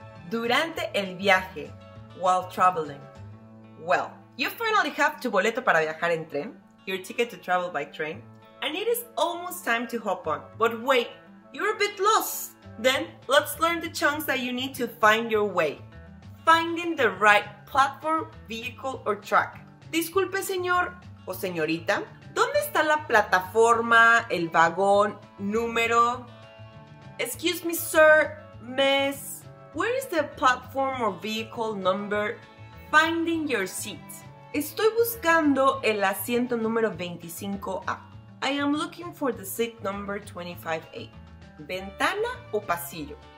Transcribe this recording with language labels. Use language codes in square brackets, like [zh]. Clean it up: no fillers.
[es] Durante el viaje, [en] while traveling. Well, you finally have [es] tu boleto para viajar en tren, [en] your ticket to travel by train, and it is almost time to hop on. But wait, you're a bit lost. Then let's learn the chunks that you need to find your way. Finding the right platform, vehicle, or track. [es] Disculpe, señor o señorita, ¿dónde está la plataforma, el vagón, número? [en] Excuse me, sir, miss, where is the platform or vehicle number? Finding your seat. [es] Estoy buscando el asiento número 25A. [en] I am looking for the seat number 25A. [es] ¿Ventana o pasillo?